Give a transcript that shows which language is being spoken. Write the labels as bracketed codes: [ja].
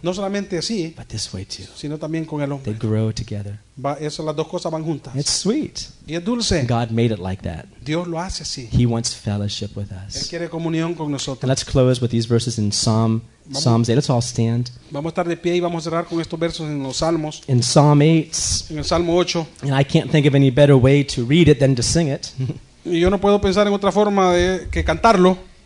[es] no solamente así, [en] but this way too, [es] sino también con el hombre. [en] They grow together. [es] Eso, las dos cosas van juntas. [en] It's sweet. [es] Y es dulce. [en] God made it like that. [es] Dios lo hace así. [en] He wants fellowship with us. [es] Él quiere comunión con nosotros. [en] And let's close with these verses in Psalm Psalms 8. Let's all stand. [es] Vamos a estar de pie y vamos a cerrar con estos versos en los Salmos. [en] In Psalm 8. [es] En el Salmo 8. [en] And I can't think of any better way to read it than to sing it. [es] Y yo no puedo pensar en otra forma de que cantarlo.